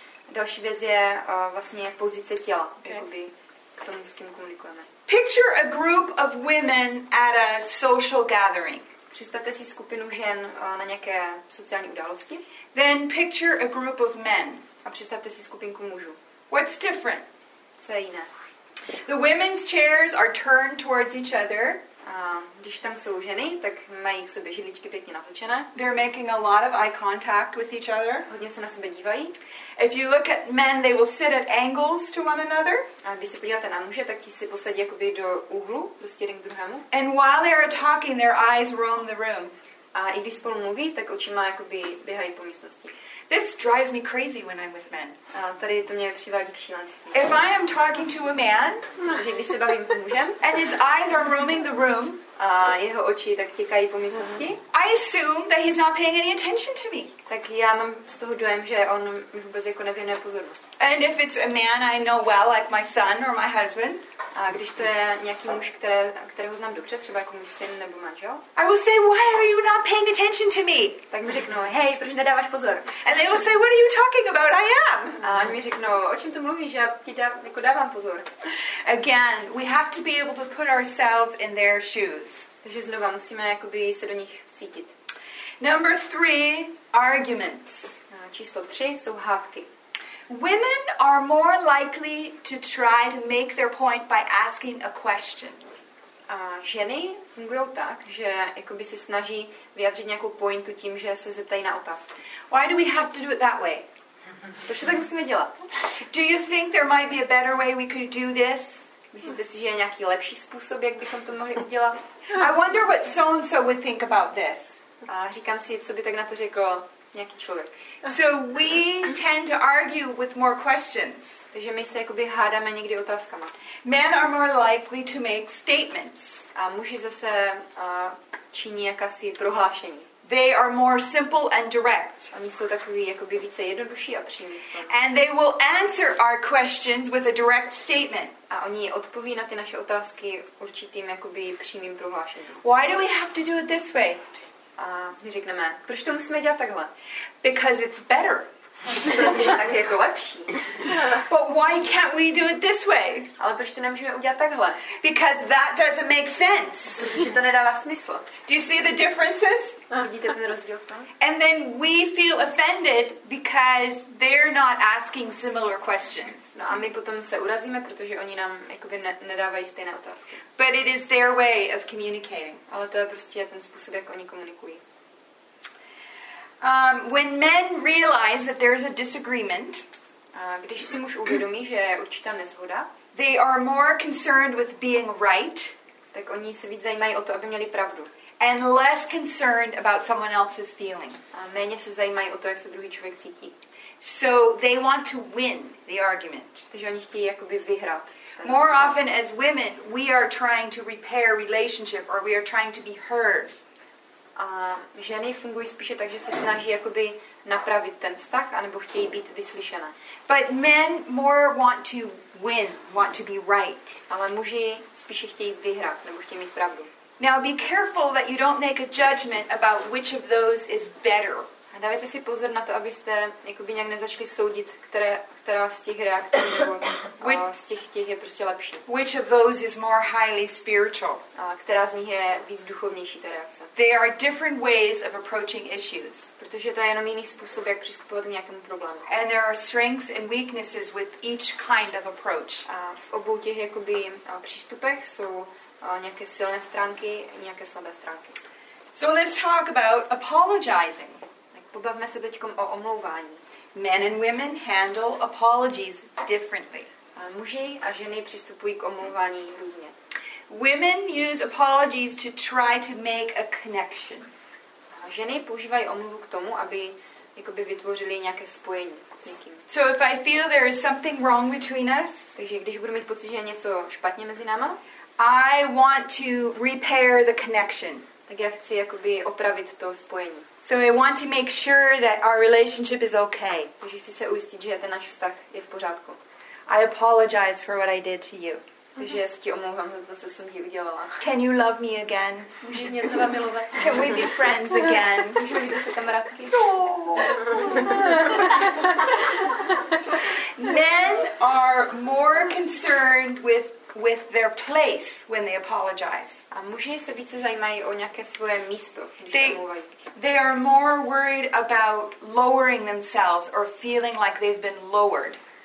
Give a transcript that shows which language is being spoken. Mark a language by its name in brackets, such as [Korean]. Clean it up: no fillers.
[Czech] Další věc je vlastně pozice těla, okay. Jakoby k tomu, s kým komunikujeme. [English] Picture a group of women at a social gathering. [Czech] Představte si skupinu žen na nějaké sociální události. [English] Then picture a group of men. [Czech] A představte si skupinku mužů. [English] What's different? [Czech] Co je jiné? [English] The women's chairs are turned towards each other. [Czech] Když tam jsou ženy, tak mají k sobě židličky pěkně natočené. [English] They're making a lot of eye contact with each other. [Czech] Hodně se na sebe dívají. [English] If you look at men, they will sit at angles to one another. [Czech] A když se podíváte na muže, tak ti si posadí jakoby do úhlu, prostě jeden k druhému. [English] And while they are talking, their eyes roam the room. [Czech] A i když spolu mluví, tak očima jakoby běhají po místnosti. [English] This drives me crazy when I'm with men. [Czech] Tady to mě přivádí k šílenství. [English] If I am talking to a man, [Czech] když se bavím s mužem, [English] and his eyes are roaming the room, [Czech] a jeho oči tak tikají po místnosti, [English] I assume that he's not paying any attention to me. [Czech] Tak já mám z toho dojem, že on vůbec jako nevěnuje pozornost. [English] And if it's a man I know well, like my son or my husband, [Czech] a když to je nějaký muž, kterého znám dobře, třeba jako můj syn nebo manžel, [English] I will say, why are you not paying attention to me? [Czech] Tak mi řeknou, hej, proč nedáváš pozor? [English] And they will say, what are you talking about? I am. [Czech] A oni mi řeknou, o čem to mluvíš, já ti dávám pozor. [English] Again, we have to be able to put ourselves in their shoes. [Czech] Takže znova musíme jakoby se do nich vcítit. [English] Number three, arguments. [Czech] Číslo tři jsou hádky. [English] Women are more likely to try to make their point by asking a question. [Czech] A ženy fungují tak, že jakoby se snaží vyjádřit nějakou pointu tím, že se zeptají na otázku. [English] Why do we have to do it that way? [Czech] Proč tak musíme dělat? [English] Do you think there might be a better way we could do this? [Czech] Myslíte si, že je nějaký lepší způsob, jak bychom to mohli udělat? [English] I wonder what so-and-so would think about this. [Czech] A říkám si, co by tak na to řekl nějaký člověk. [English] So we tend to argue with more questions. [Czech] Takže my se jakoby hádáme někdy otázkama. [English] Men are more likely to make statements. [Czech] A muži zase činí jakási prohlášení. [English] They are more simple and direct. [Czech] Oni jsou takový jakoby více jednodušší a přímý. [English] And they will answer our questions with a direct statement. [Czech] A oni odpoví na ty naše otázky určitým jakoby přímým prohlášením. [English] Why do we have to do it this way? [Czech] A my řekneme, proč to musíme dělat takhle? [English] Because it's better. [Czech] Tak je to lepší. [English] But why can't we do it this way? [Czech] Ale proč to nemůžeme udělat takhle? [English] Because that doesn't make sense. [Czech] Protože to nedává smysl. [English] Do you see the differences? [Czech] Vidíte ten rozdíl v tom? [English] And then we feel offended because they're not asking similar questions. [Czech] No a my potom se urazíme, protože oni nám jakoby nedávají stejné otázky. [English] But it is their way of communicating. [Czech] Ale to je prostě ten způsob, jak oni komunikují. [English] When men realize that there is a disagreement, [Czech] když si muž uvědomí, že je určitá nezhoda, [English] they are more concerned with being right, [Czech] tak oni se víc zajímají o to, aby měli pravdu, [English] and less concerned about someone else's feelings. [Czech] A méně se zajímají o to, jak se druhý člověk cítí. [English] So they want to win the argument. [Czech] Takže oni chtějí jakoby vyhrát. [English] More often as women, we are trying to repair relationship or we are trying to be heard. [Czech] A ženy fungují spíše tak, že se snaží jakoby napravit ten vztah, anebo chtějí být vyslyšené. [English] But men more want to win, want to be right. [Czech] Ale muži spíše chtějí vyhrát, nebo chtějí mít pravdu. [English] Now be careful that you don't make a judgment about which of those is better. [Czech] A dávajte si pozor na to, abyste jakoby nějak nezačali soudit, která z těch reakcí nebo z těch je prostě lepší. [English] Which of those is more highly spiritual? [Czech] A která z nich je víc duchovnější ta reakce? [English] There are different ways of approaching issues. [Czech] Protože to je jenom jiný způsob, jak přistupovat k nějakému problému. [English] And there are strengths and weaknesses with each kind of approach. [Czech] A v obou těch jakoby přístupech jsou nějaké silné stránky, nějaké slabé stránky. [English] So let's talk about apologizing. [Czech] Pobavme se teď o omlouvání. [English] Men and women handle apologies differently. [Czech] Muži a ženy přistupují k omlouvání různě. [English] Women use apologies to try to make a connection. [Czech] Ženy používají omluvu k tomu, aby jakoby vytvořili nějaké spojení s někým. [English] So if I feel there is something wrong between us, [Czech] takže když budu mít pocit, že je něco špatně mezi náma, [English] I want to repair the connection. [Czech] Tak já chci jakoby opravit to spojení. [English] So I want to make sure that our relationship is okay. [Czech] Takže chci se ujistit, že ten náš vztah je v pořádku. [English] I apologize for what I did to you. [Czech] Takže já si omlouvám za to, co jsem ti udělala. [English] Can you love me again? [Czech] Můžu mě znova milovat? [English] Can we be friends again? [Czech] Můžeme být zase kamarádky? No. [English] Men are more concerned with their place when they apologize. [Czech] A muži se více zajímají o nějaké svoje místo, když se omlouvají. [English] They are more worried about lowering themselves or feeling like they've been lowered.